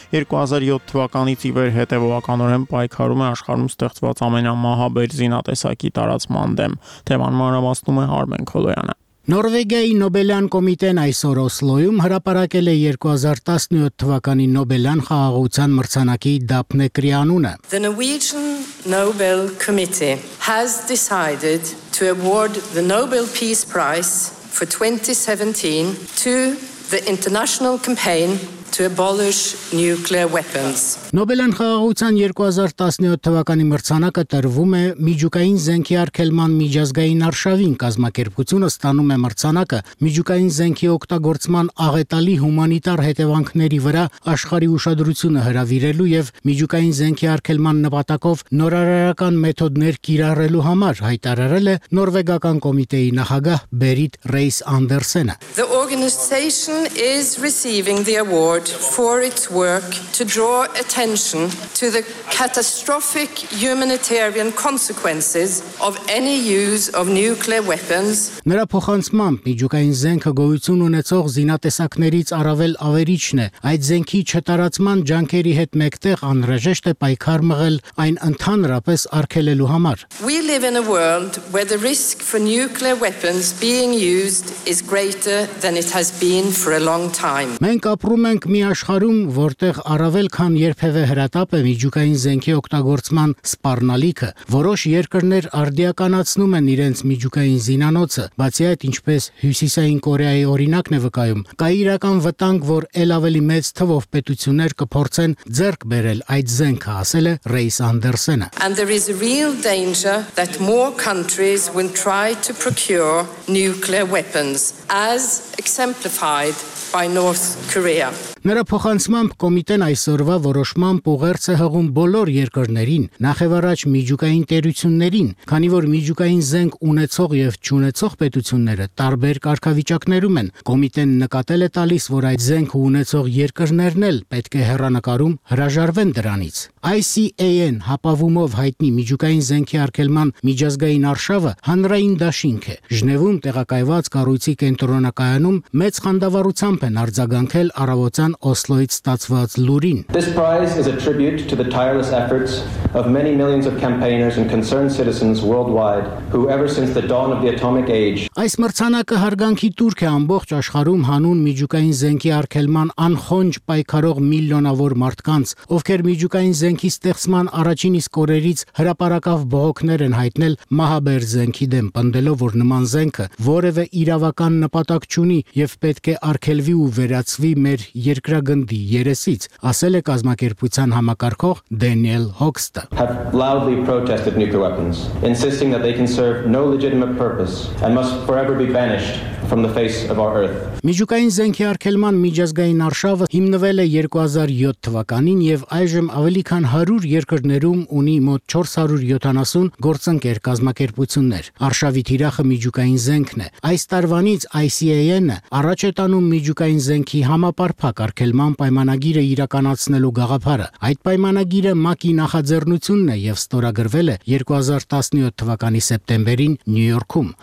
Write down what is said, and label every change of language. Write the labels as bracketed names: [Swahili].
[Armenian] 2007 թվականից ի վեր հետեւականորեն պայքարում է աշխարհում ստեղծված ամենամահաբեր զինատեսակի տարածման դեմ։ Թեման մանրամասնում է Արմեն Քոլոյանը։ Նորվեգիայի Նոբելյան կոմիտեն այսօր Օսլոյում հրապարակել է 2017 թվականի Նոբելյան խաղաղության մրցանակի Դափնե Կրիանունը։ [English] The Norwegian Nobel Committee has decided to award the Nobel Peace Prize for 2017 to the international campaign to abolish nuclear weapons. [Armenian] Նոբելյան խաղաղության 2017 թվականի մրցանակը տրվում է միջուկային զենքի արգելման միջազգային արշավին, կազմակերպությունը ստանում է մրցանակը միջուկային զենքի օգտագործման աղետալի հումանիտար հետևանքների վրա աշխարհի ուշադրությունը հրավիրելու եւ միջուկային զենքի արգելման նպատակով նորարարական մեթոդներ կիրառելու համար, հայտարարել է Նորվեգական կոմիտեի նախագահ Բերիտ Ռեյս Անդերսենը։ [English] The organization is receiving the award for its work to draw attention to the catastrophic humanitarian consequences of any use of nuclear weapons. [Armenian] Նրա փոխանցմամբ միջուկային զենքը գոյություն ունեցող զինատեսակներից առավել ավերիչն է։ Այդ զենքի չտարածման ջանքերի հետ մեկտեղ անհրաժեշտ է պայքար մղել այն ընդհանրապես արգելելու համար։ [English] We live in a world where the risk for nuclear weapons being used is greater than it has been for a long time. [Armenian] Մենք ապրում ենք մի աշխարհում, որտեղ առավել քան երբևէ հրատապ է միջուկային զենքի օգտագործման սպառնալիքը։ Որոշ երկրներ արդիականացնում են իրենց միջուկային զինանոցը, բացի այդ, ինչպես Հյուսիսային Կորեայի օրինակն է վկայում, կա իրական վտանգ, որ ել ավելի մեծ թվով պետություններ կփորձեն ձեռք բերել այդ զենքը, ասել է Ռեյս Անդերսենը։ [English] And there is a real danger that more countries will try to procure nuclear weapons, as exemplified by North Korea. [Armenian] Նրա փոխանցմամբ կոմիտեն այսօրվա որոշմամբ ուղերձ է հղում բոլոր երկրներին, նախևառաջ միջուկային տերություններին, քանի որ միջուկային զենք ունեցող եւ չունեցող պետությունները տարբեր կարգավիճակներում են։ Կոմիտեն նկատել է տալիս, որ այդ զենք ունեցող երկրներն էլ պետք է հեռանկարում հրաժարվեն դրանից։ ICAN հապավումով հայտնի միջուկային զենքի արգելման միջազգային արշավը հանրային դաշինք է։ Ժնևում տեղակայված կառույցի կենտրոնակայանում մեծ խանդավառությամբ են արձագանքել առավոտյան Օսլոից ստացված լուրին։ [English] This prize is a tribute to the tireless efforts of many millions of campaigners and concerned citizens worldwide who ever since the dawn of the atomic age. [Armenian] Այս մրցանակը հարգանքի տուրք է ամբողջ աշխարհում հանուն միջուկային զենքի արգելման անխոնջ պայքարող միլիոնավոր մարդկանց, ովքեր միջուկային զենքի ստեղծման առաջին իսկ օրերից հրապարակավ բողոքներ են հայտնել մահաբեր զենքի դեմ, պնդելով, որ նման զենքը որևէ իրավական նպատակ չունի եւ պետք է արգելվի ու վերացվի մեր երկրագնդի երեսից, ասել է կազմակերպության համակարգող Դենիել Հոքստը. [English] Have loudly protested nuclear weapons, insisting that they can serve no legitimate purpose and must forever be banished from the face of our earth. [Armenian] Միջուկային զենքի արգելման միջազգային արշավը հիմնվել է 2007 թվականին եւ այժմ ավելի քան 100 երկրներում ունի մոտ 470 գործընկեր կազմակերպություններ։ Արշավի թիրախը միջուկային զենքն է։ Այս տարվանից ICAN-ը առաջ է տանում միջուկային զենքի համապարփակ արգելման պայմանագիրը իրականացնելու գաղափարը։ Այդ պայմանագիրը ՄԱԿ-ի նախաձեռնությունն է եւ ստորագրվել է 2017 թվականի սեպտեմբերին Նյու Յորքում։